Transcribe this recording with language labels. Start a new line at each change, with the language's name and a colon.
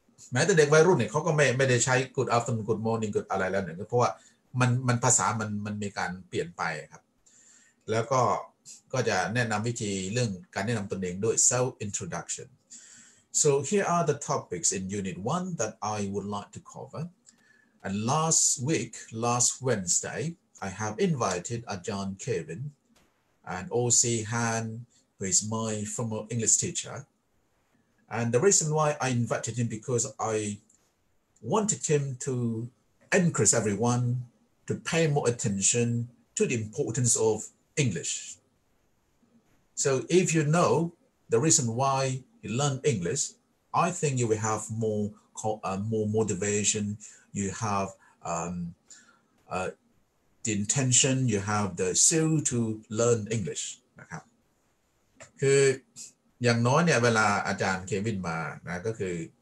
Thai: เนี่ยเขาก็ไม่ได้ใช้
English: good afternoon good morning good
Thai: อะไรแล้วเนี่ยเพราะว่ามันภาษามันมีการเปลี่ยนไปครับแล้วก็จะแนะนำวิธีเรื่องการแนะนำตนเองด้วย self introduction
English: so here are the topics in unit 1 that I would like to coverAnd last week, last Wednesday, I have invited a John Kevin and O.C. Han, who is my former English teacher. And the reason why I invited him because I wanted him to encourage everyone to pay more attention to the importance of English. So if you know the reason why you learn English, I think you will have more motivation,You have the intention, you have the zeal to learn English,
Thai: นะครับคืออย่างน้อยเนี่ยเวลาอาจารย์เควินมานะก็คือ